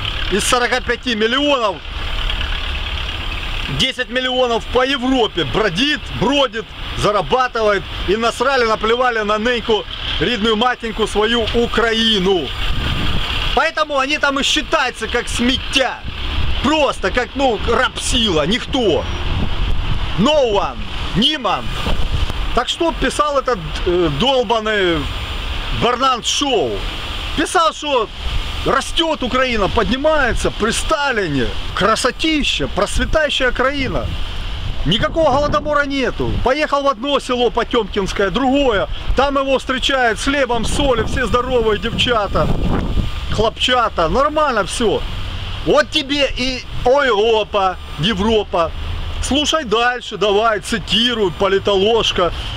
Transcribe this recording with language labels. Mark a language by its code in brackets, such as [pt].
[ru] Из 45 миллионов, 10 миллионов по Европе бродит, бродит, зарабатывает. И насрали, наплевали на ныньку, ридную матеньку свою Украину. Поэтому они там и считаются как смятя. Просто как, ну, рабсила, никто. [en] No one. Німан. [uk] Так що писав [ru] этот долбаний [uk] Бернард Шоу? Писав, що росте Україна, піднімається при Сталіні. Красотища, процвітаюча країна. [ru] Никакого голодомора нету. Поехал в одно село Потемкинское, другое. Там его встречают с хлебом, соли, все здоровые девчата, хлопчата. Нормально все. Вот тебе и Европа, Европа. Слушай дальше, давай, цитируй, политоложка.